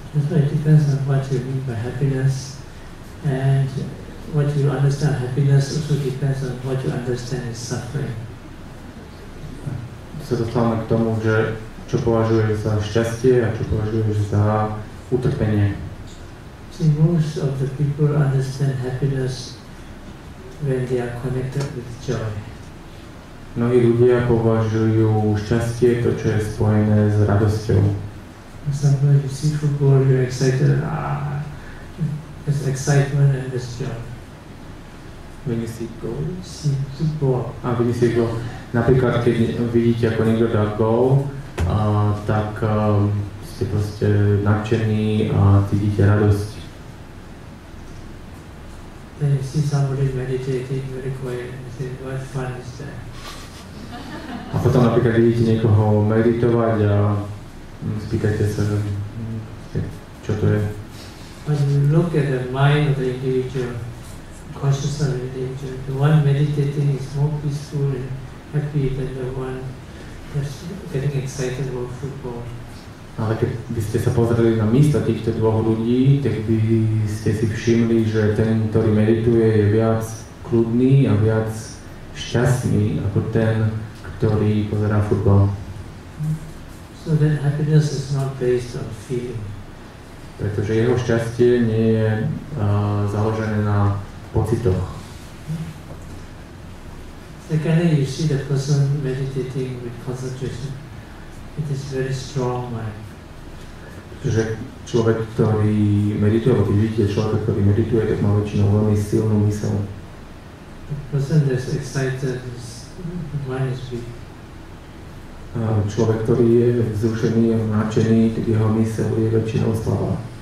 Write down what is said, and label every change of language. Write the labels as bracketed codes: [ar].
[en] Depends on what you mean by happiness, and what you understand happiness also depends on what you understand is suffering. [sk] Sa dostávame k tomu, že čo považuješ za šťastie a čo považuješ za utrpenie. [en] See, most of the people understand happiness when they are connected with joy. [sk] Mnohí ľudia považujú šťastie to, čo je spojené s radosťou. [en] Sometimes you see football, you're excited, there's excitement and there's joy. When you see goal? See football. Ah, when you see goal. [sk] Napríklad, keď vidíte, ako niekto dá goal, tak ste proste nadšení a cítite radosť. [en] Then you see somebody meditating very quiet and say, what fun is that? [sk] A potom napríklad vidíte niekoho meditovať a spýtajte sa, čo to je. [en] When you look at the mind of the individual, conscious of the individual, the one meditating is more peaceful and happy than the one that's getting excited about football. [sk] Ale keď by ste sa pozreli na mysle týchto dvoch ľudí, tak by ste si všimli, že ten, ktorý medituje, je viac kľudný a viac šťastný ako ten, ktorý pozerá futbol. [en] So that happiness is not based on feeling. [sk] Pretože jeho šťastie nie je založené na pocitoch. [en] Secondly, you see the person meditating with concentration. It is very strong mind. [sk] Pretože človek, ktorý medituje, alebo vidíte človek, ktorý medituje, tak má väčšinou veľmi silnú mysel. [en] The person that's excited, his mind is weak. [sk] Človek, ktorý je vzrušený a nadšený, tak jeho mysel je väčšinou slabá.